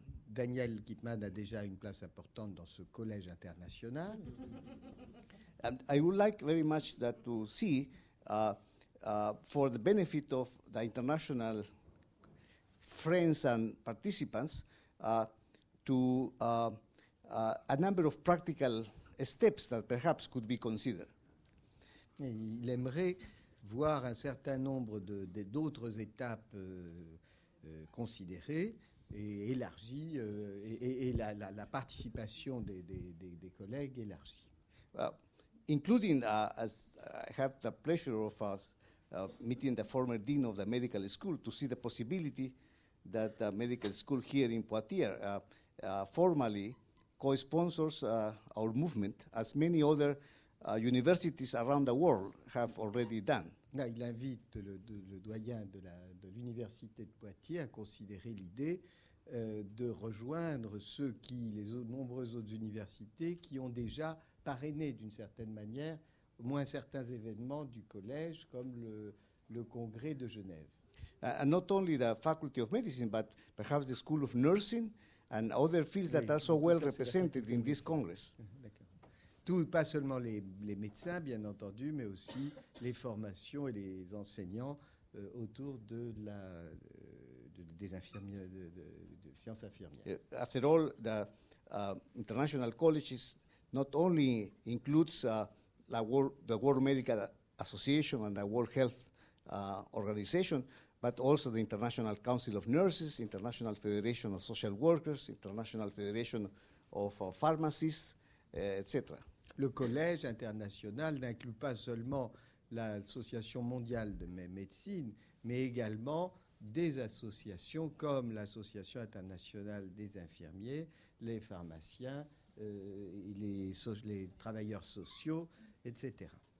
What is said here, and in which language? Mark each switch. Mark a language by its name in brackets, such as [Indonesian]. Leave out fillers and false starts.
[French] Daniel Kiffman a déjà une place importante dans ce collège international. [English] And I would like very much that to see, for the benefit of the international friends and participants, a number of practical steps that perhaps could be considered. [French] Et il aimerait voir un certain nombre de d'autres étapes considérées et élargies, et la participation des collègues élargie. [English] Well, including as I have the pleasure of meeting the former dean of the medical school to see the possibility that the medical school here in Poitiers formally co-sponsors our movement, as many other universities around the world have already done. [French] Là, il invite le doyen de l'université de Poitiers à considérer l'idée de rejoindre nombreuses autres universités qui ont déjà parrainé d'une certaine manière au moins certains événements du collège, comme le congrès de Genève. [English] And not only the Faculty of Medicine, but perhaps the School of Nursing and other fields that are so well represented in this Congress. [French] D'accord. Tout, pas seulement les médecins, bien entendu, mais aussi les formations et les enseignants autour de la des infirmières de sciences infirmières. [English] After all, the international colleges not only includes the World Medical Association and the World Health Organization, but also the International Council of Nurses, International Federation of Social Workers, International Federation of Pharmacists, etc. [French] Le collège international n'inclut pas seulement l'Association mondiale de médecine, mais également des associations comme l'Association internationale des infirmiers, les pharmaciens, les travailleurs sociaux, etc.